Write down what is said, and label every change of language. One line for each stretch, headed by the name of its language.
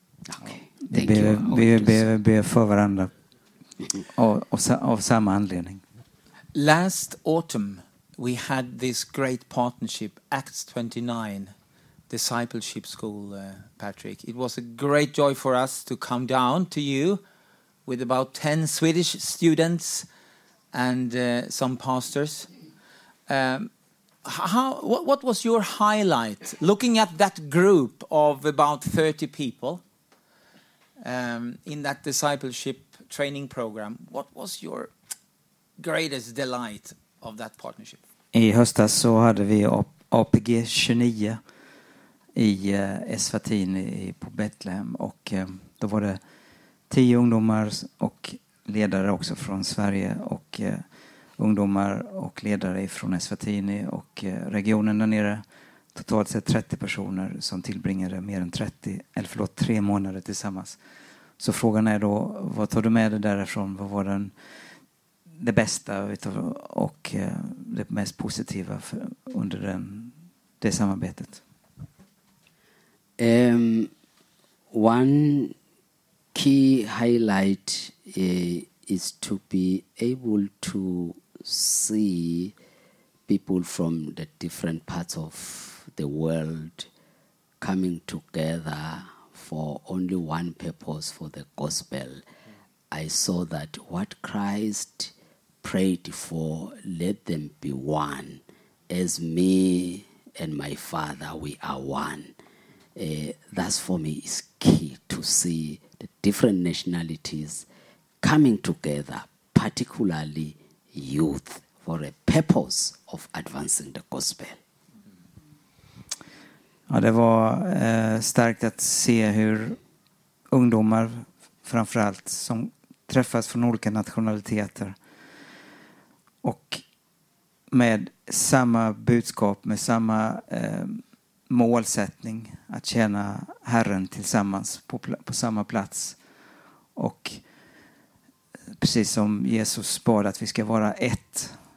English: Okay. Thank you.
Swedish: Be för varandra av samma anledning.
English: Last autumn, we had this great partnership, Acts 29, Discipleship School, Patrick. It was a great joy for us to come down to you with about 10 Swedish students and some pastors. What was your highlight looking at that group of about 30 people in that discipleship training program? What was your greatest delight of that partnership?
Swedish: I höstas så hade vi APG 29 i Esfatin på Betlehem, och då var det 10 ungdomar och ledare också från Sverige, och ungdomar och ledare från Esfatini och regionen där nere. Totalt sett 30 personer som tillbringade mer än 3 månader tillsammans. Så frågan är då, vad tar du med dig därifrån? Vad var det bästa och det mest positiva under det samarbetet?
English: One key highlight is to be able to see people from the different parts of the world coming together for only one purpose, for the gospel. I saw that what Christ prayed for, let them be one, as me and my Father, we are one. That's for me is key, to see the different nationalities coming together, particularly youth, for a purpose of advancing the gospel.
Swedish: Ja, det var starkt att se hur ungdomar framförallt som träffas från olika nationaliteter och med samma budskap, med samma målsättning att tjäna Herren tillsammans på samma plats, och precis som Jesus bad att vi ska vara ett.